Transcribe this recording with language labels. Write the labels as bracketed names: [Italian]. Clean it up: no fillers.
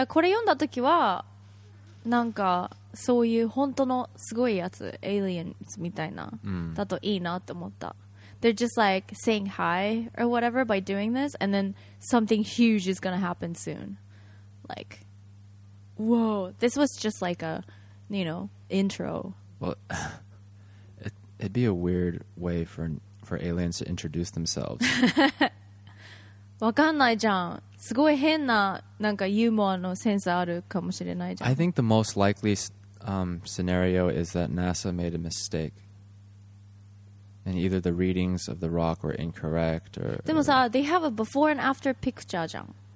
[Japanese] これ読んだ時は、なんかそういう本当のすごいやつ、aliens みたいな、だといいなって思った。 [English] They're just like saying hi or whatever by doing this, and then something huge is going to happen soon. Like, whoa, this was just like a, you know, intro. Well, it'd be a weird way for aliens to introduce themselves. [Japanese] わかんないじゃん。すごい変ななんかユーモアのセンスあるかもしれないじゃん。 [English] I think the most likely scenario is that NASA made a mistake. And either the readings of the rock were incorrect or... [Japanese] でもさ、 [English] they have a before and after picture [Japanese] じゃん。